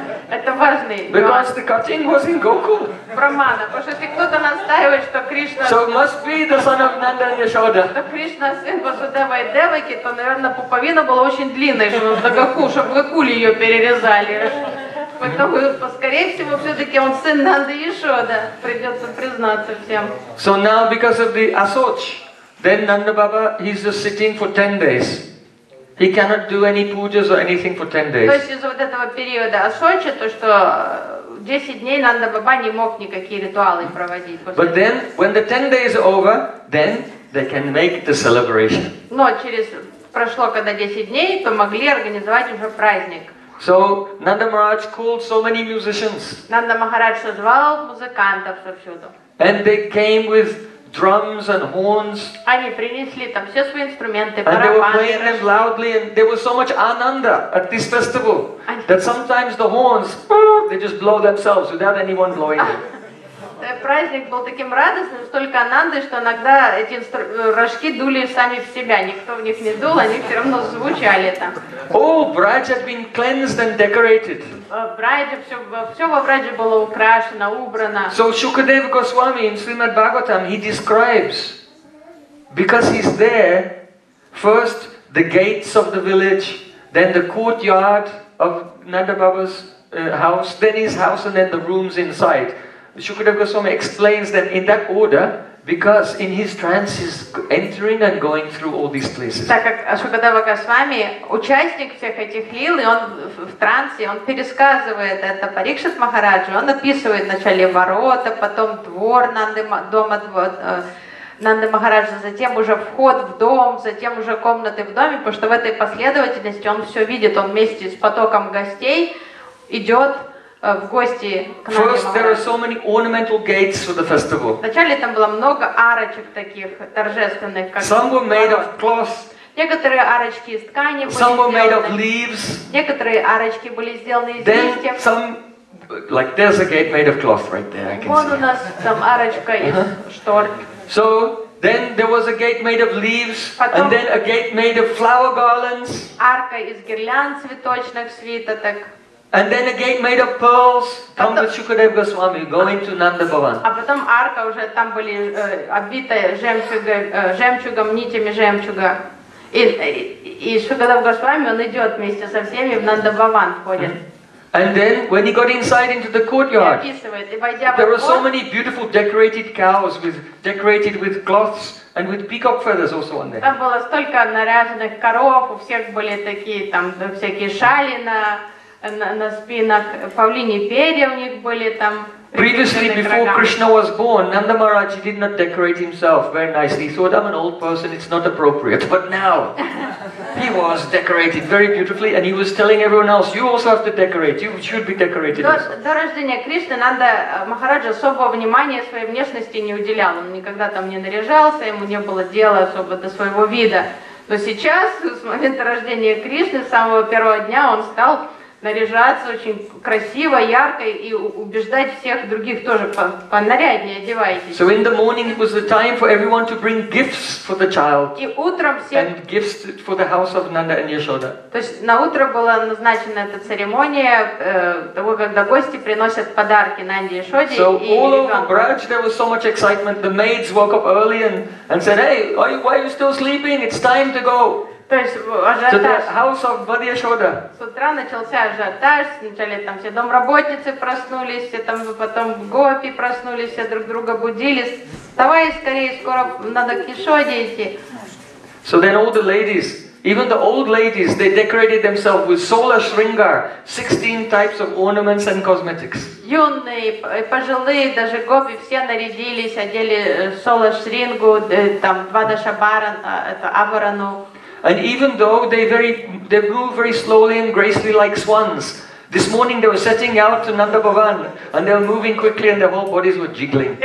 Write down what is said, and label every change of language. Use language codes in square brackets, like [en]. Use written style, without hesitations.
[ru] Это важный. [en] Because the cutting was in Gokul. [ru] Брахмана, потому что если кто-то настаивает, что Кришна. [en] So it must be the son of Nanda and Yashoda. [ru] То Кришна сын Васудева и Деваки, то, наверное, пуповина была очень длинной, чтобы в Гокуле ее перерезали. Потом, скорее всего, все-таки он сын Нанды Яшоды. Придется признаться всем. [en] So now because of the asoch, then Nanda Baba, he's just sitting for 10 days. He cannot do any pujas or anything for 10 days. [ru] То есть из-за вот этого периода асочи, то что 10 дней Нанда Баба не мог никакие ритуалы проводить. [en] But then, when the 10 days are over, then they can make the celebration. [ru] Но через прошло когда 10 дней, то могли организовать уже праздник. [en] So Nanda Maharaj called so many musicians. [ru] Нанда Махарадж созвал музыкантов повсюду. [en] And they came with drums and horns. [ru] Они принесли там все свои инструменты, барабаны. [en] And they were playing them loudly, and there was so much ananda at this festival that sometimes the horns they just blow themselves without anyone blowing them. [ru] Праздник был таким радостным, столько ананды, что иногда эти рожки дули сами в себя, никто в них не дул, они все равно звучали там. [en] Oh, Braj had been cleansed and decorated. [ru] Брайджа, все во Брайджа было украшено, убрано. [en] So Shukadeva Goswami in Srimad Bhagavatam, he describes, because he's there, first the gates of the village, then the courtyard of Nanda Baba's house, then his house, and then the rooms inside. Shukadeva Goswami explains them in that order, because in his trance he's entering and going through all these places. [ru] Так как Шукадева Госвами участник всех этих лил, и он в трансе, он пересказывает это Парикшит Махараджу, он описывает вначале ворота, потом двор Нанды, дома Нанды Махараджа, затем уже вход в дом, затем уже комнаты в доме, потому что в этой последовательности он все видит, он вместе с потоком гостей идет в гости к нам. [en] First, there are so many ornamental gates for the festival. [ru] Вначале там было много арочек таких торжественных, как. [en] Some were made of cloth. [ru] Некоторые арочки из ткани были. [en] Some were made of leaves. [ru] Некоторые арочки были сделаны из листьев. [en] Then some, like there's a gate made of cloth right there. I can see. [ru] Вон у нас там арочка из штор. [en] So then there was a gate made of leaves, and then a gate made of flower garlands. [ru] Арка из гирлянд цветочных свиток. [en] And then a gate made of pearls, come with Shukadeva Goswami, going to Nanda Bhavan. [ru] А потом арка уже там были обвита жемчугом, нитями жемчуга. И Шукадева Госвами, он идет вместе со всеми в Нанда Бхаван входит. [en] And then, when he got inside into the courtyard, there were so many beautiful decorated cows decorated with cloths and with peacock feathers also on there. [ru] Там было столько наряженных коров, у всех были такие там всякие шали на спинах, павлиньи перья у них были там. [en] Previously, before Krishna was born, Nanda Maharaj did not decorate himself very nicely. He thought, I'm an old person, it's not appropriate. But now, he was decorated very beautifully, and he was telling everyone else, you also have to decorate, you should be decorated. [ru] До рождения Кришны Нанда Махарадж особого внимания своей внешности не уделял. Он никогда там не наряжался, ему не было дела особо до своего вида. Но сейчас, с момента рождения Кришны, с самого первого дня он стал наряжаться очень красиво, ярко и убеждать всех других тоже понаряднее одевайтесь. [en] So in the morning was the time for everyone to bring gifts for the child. [ru] И утром все. [en] And gifts for the house of Nanda and Yashoda. [ru] То есть на утро была назначена эта церемония того, когда гости приносят подарки Нанде и Яшоде. [en] So all over Braj there was so much excitement. The maids woke up early and said, Hey, why are you still sleeping? It's time to go. [ru] То есть ажиотаж. [en] So the house of Bhadi Ashoda. [ru] С утра начался ажиотаж, сначала там все домработницы проснулись, все там потом гопи проснулись, все друг друга будили. Вставай скорее, скоро надо к Яшоде идти. [en] So then all the ladies, even the old ladies, they decorated themselves with Sola Shringar, 16 types of ornaments and cosmetics. [ru] Юные и пожилые, даже гопи, все нарядились, одели Сола Шрингу, там Двада Шабаран, это Абарану. [en] And even though they move very slowly and gracefully like swans, this morning they were setting out to Nanda Bhavan, and they were moving quickly, and their whole bodies were jiggling.